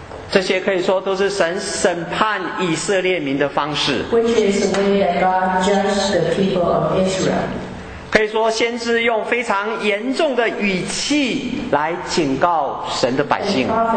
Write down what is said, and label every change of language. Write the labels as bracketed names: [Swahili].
[Chinese] 这些可以说都是神审判以色列民的方式。 [English] Which is the way that God judges the people of Israel. [Chinese] 可以说先知用非常严重的语气来警告神的百姓。